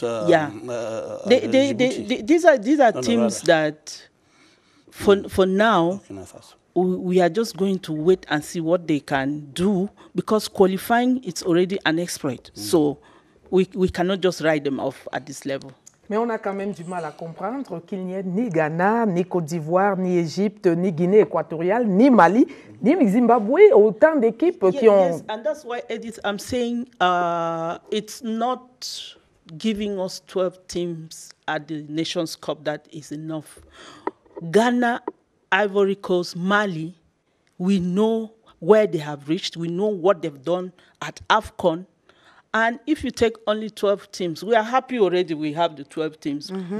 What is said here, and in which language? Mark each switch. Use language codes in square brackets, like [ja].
[en] these are teams that for now, we are just going to wait and see what they can do, because qualifying is already an exploit. Mm. So we cannot just write them off at this level. [fr] Mais on a quand même du mal à comprendre qu'il n'y ait ni Ghana, ni Côte d'Ivoire, ni Égypte, ni Guinée équatoriale, ni Mali, ni Zimbabwe, autant d'équipes qui ont... [en] Yes, and that's why, Edith, I'm saying it's not giving us 12 teams at the Nations Cup, that is enough. Ghana, Ivory Coast, Mali, we know where they have reached. We know what they've done at AFCON. And if you take only 12 teams, we are happy already we have the 12 teams. Mm-hmm.